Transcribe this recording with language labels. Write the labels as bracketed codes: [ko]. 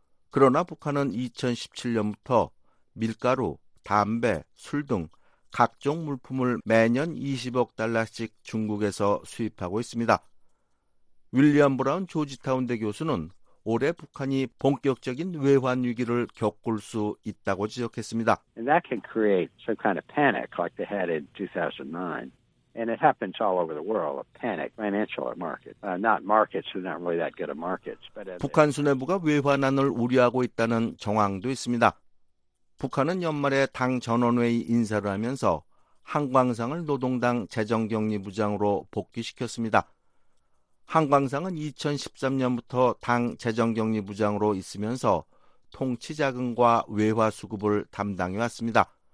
[ko] 그러나 북한은 2017년부터 밀가루, 담배, 술 등 각종 물품을 매년 20억 달러씩 중국에서 수입하고 있습니다. 윌리엄 브라운 조지타운 대 교수는 올해 북한이 본격적인 외환 위기를 겪을 수 있다고 지적했습니다. [en] And that can create some kind of panic like they had in 2009. And it happens all over the world, a panic, financial market. Not markets, they're not really that good at markets. But [ko] 북한 수뇌부가 외환난을 우려하고 있다는 정황도 있습니다. 북한은 연말에 당 전원회의 인사를 하면서 한광상을 노동당 재정경리부장으로 복귀시켰습니다. 한광상은 2013년부터 당 재정경리부장으로 있으면서 통치자금과 외화수급을 담당해왔습니다.